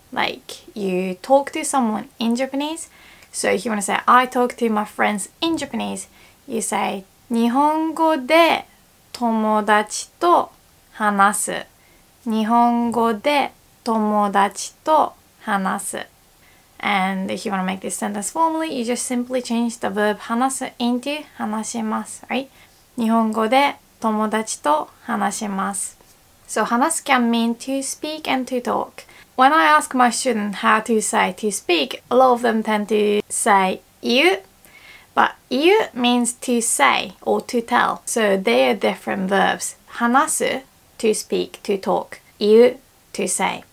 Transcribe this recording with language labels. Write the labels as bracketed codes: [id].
[en] Like you talk to someone in Japanese. So if you want to say I talk to my friends in Japanese, you say [ja] 日本語で友達と 話す. 日本語で友達と話す. [en] And if you want to make this sentence formally, you just simply change the verb 話す into 話します, right? [ja] 日本語で友達と話します. [en] So 話す can mean to speak and to talk. When I ask my student how to say to speak, a lot of them tend to say 言う. But 言う means to say or to tell. So they are different verbs. 話す, to speak, to talk. 言う, to say.